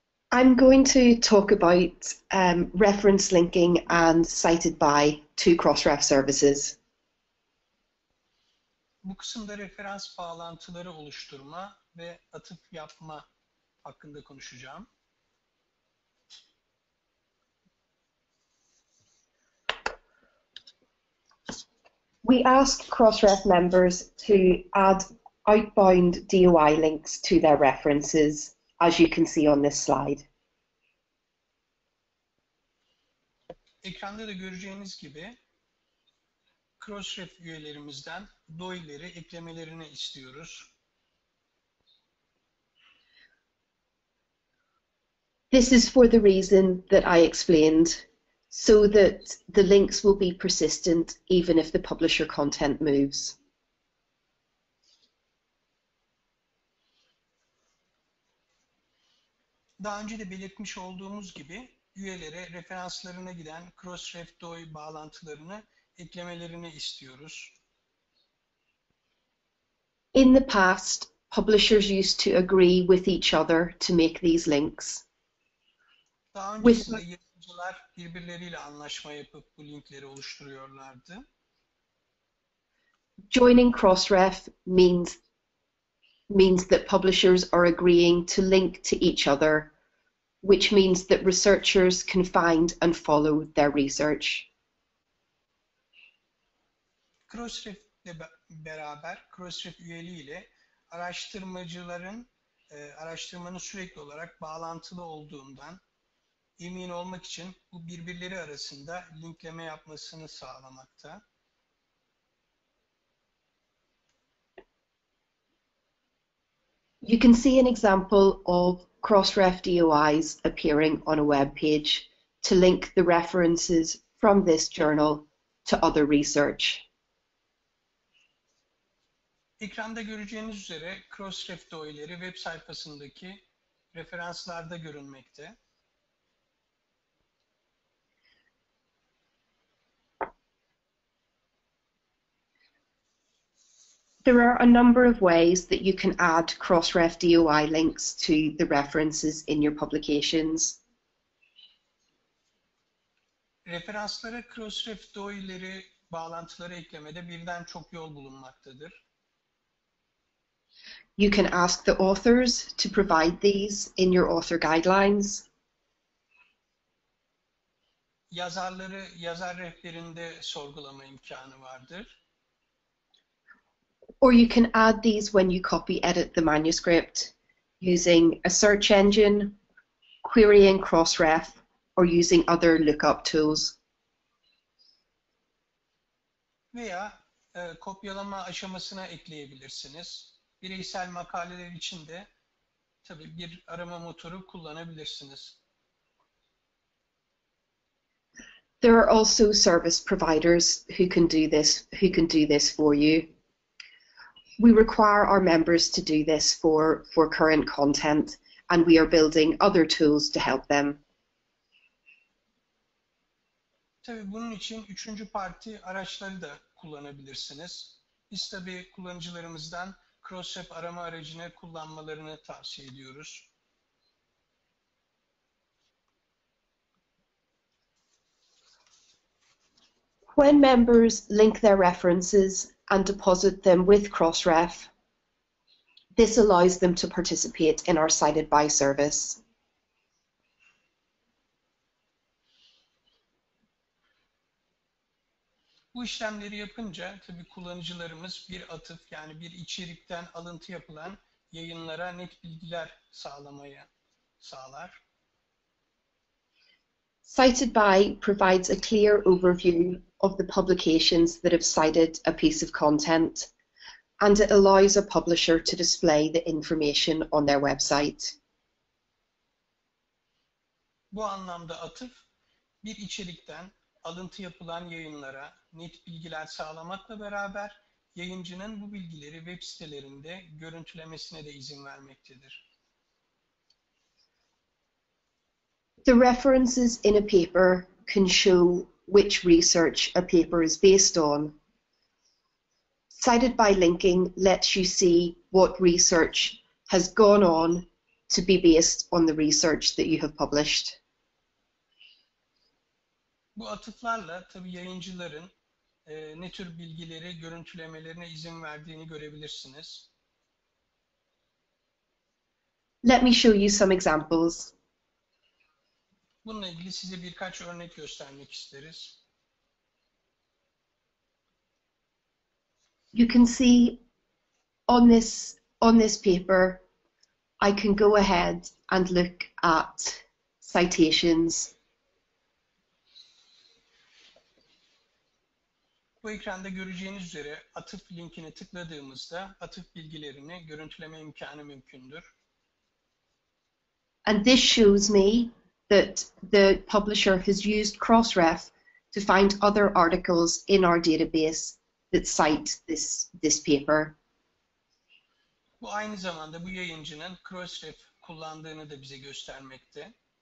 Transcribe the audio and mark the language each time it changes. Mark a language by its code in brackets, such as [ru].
[en] I'm going to talk about reference linking and cited by two Crossref services. [tr] Bu kısımda referans bağlantıları oluşturma ve atıf yapma hakkında konuşacağım. [en] We asked Crossref members to add outbound DOI links to their references, as you can see on this slide. [tr] Ekranda da göreceğiniz gibi Crossref üyelerimizden DOI'leri eklemelerini istiyoruz. [en] This is for the reason that I explained, so that the links will be persistent even if the publisher content moves. [tr] Daha önce de belirtmiş olduğumuz gibi üyelere referanslarına giden Crossref DOI bağlantılarını eklemelerini istiyoruz. [en] In the past, publishers used to agree with each other to make these links. [tr] Daha öncesinde yayıncılar birbirleriyle anlaşma yapıp bu linkleri oluşturuyorlardı. [en] Joining Crossref means that publishers are agreeing to link to each other, which means that researchers can find and follow their research. [tr] Crossref ile beraber, Crossref üyeliği ile araştırmacıların araştırmanın sürekli olarak bağlantılı olduğundan emin olmak için bu birbirleri arasında linkleme yapmasını sağlamakta. [en] You can see an example of Crossref DOIs appearing on a web page to link the references from this journal to other research. [tr] Ekranda göreceğiniz üzere Crossref DOI'leri web sayfasındaki referanslarda görünmekte. [en] There are a number of ways that you can add Crossref DOI links to the references in your publications. [tr] Referanslara Crossref DOI'leri bağlantıları eklemede birden çok yol bulunmaktadır. [en] You can ask the authors to provide these in your author guidelines. [tr] Yazarları yazar rehberinde sorgulama imkanı vardır. [en] Or you can add these when you copy edit the manuscript using a search engine, querying Crossref, or using other lookup tools. [tr] Veya kopyalama aşamasına ekleyebilirsiniz. Bireysel makaleler için de tabii bir arama motoru kullanabilirsiniz. [en] There are also service providers who can do this for you. We require our members to do this for current content, and we are building other tools to help them. [tr] Tabii bunun için üçüncü parti araçları da kullanabilirsiniz. Biz tabii kullanıcılarımızdan Crossref arama aracını kullanmalarını tavsiye ediyoruz. [en] When members link their references and deposit them with Crossref, this allows them to participate in our site advice service. [tr] Bu işlemleri yapınca tabii kullanıcılarımız bir atıf yani bir içerikten alıntı yapılan yayınlara net bilgiler sağlamayı sağlar. [en] Cited by provides a clear overview of the publications that have cited a piece of content and it allows a publisher to display the information on their website. [tr] Bu anlamda atıf bir içerikten alıntı yapılan yayınlara net bilgiler sağlamakla beraber yayıncının bu bilgileri web sitelerinde görüntülemesine de izin vermektedir. [en] The references in a paper can show which research a paper is based on. Cited by linking lets you see what research has gone on to be based on the research that you have published. [tr] Bu atıflarla tabii yayıncıların ne tür bilgileri görüntülemelerine izin verdiğini görebilirsiniz. [en] Let me show you some examples. [tr] Bununla ilgili size birkaç örnek göstermek isteriz. [en] You can see on this paper I can go ahead and look at citations. [tr] Bu ekranda göreceğiniz üzere atıf linkine tıkladığımızda atıf bilgilerini görüntüleme imkanı mümkündür. [en] And this shows me that the publisher has used Crossref to find other articles in our database that cite this paper. [tr] Bu aynı zamanda bu yayıncının Crossref kullandığını da bize göstermekte.